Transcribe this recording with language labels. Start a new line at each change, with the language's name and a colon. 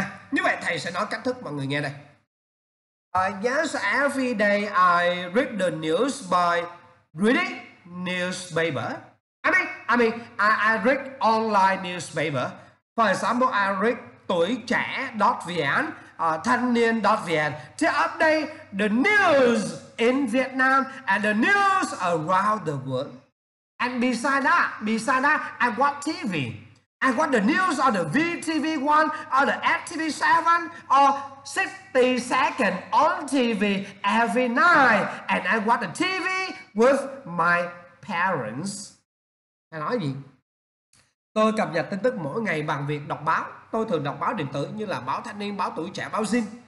Vietnamese: Như vậy thầy sẽ nói cách thức mọi người nghe đây.
English: Yes, every day I read the news by reading newspaper. I read online newspaper. For example, I read tuổitrẻ.vn, thanhniên.vn to update the news in Vietnam and the news around the world. And besides that, I watch TV. I watch the news on the VTV1, on the FTV7, or 60 seconds on TV every night. And I watch the TV with my parents.
Vietnamese: Hay nói gì? Tôi cập nhật tin tức mỗi ngày bằng việc đọc báo. Tôi thường đọc báo điện tử như là báo Thanh Niên, báo Tuổi Trẻ, báo Zin.